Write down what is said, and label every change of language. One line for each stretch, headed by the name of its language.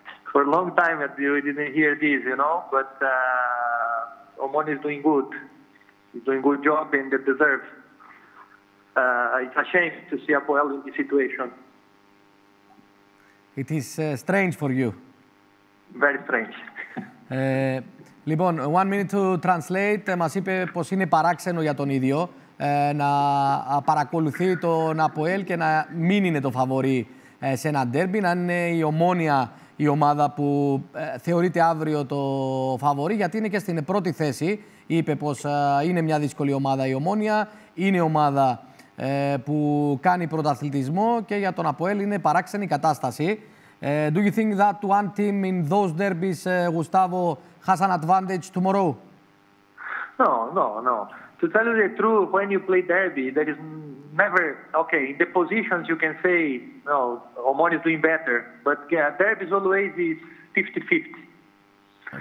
English: For a long time, you didn't hear this, you know, but Omonia is doing good. He's doing a good job and they deserve. It's a shame to see ApoEl in this situation. It is strange for you. Very strange.
Greek: Λοιπόν,
English: one minute to translate.
Greek: Μας είπε πως είναι παράξενο για τον ίδιο να παρακολουθεί τον ΑΠΟΕΛ και να μην είναι το φαβορί σε ένα ντέρμπι, να είναι η Ομόνια η ομάδα που θεωρείται αύριο το φαβορί, γιατί είναι και στην πρώτη θέση. Είπε πως είναι μια δύσκολη ομάδα η Ομόνια, είναι ομάδα που κάνει πρωταθλητισμό και για τον ΑΠΟΕΛ είναι παράξενη κατάσταση.
English: Do you think that one team in those derbies, Gustavo, has an advantage tomorrow? No, no, no. To tell you the truth, when you play derby, there is never... Okay, in the positions you can say, no, Omonia is doing better. But yeah, derby is always 50-50.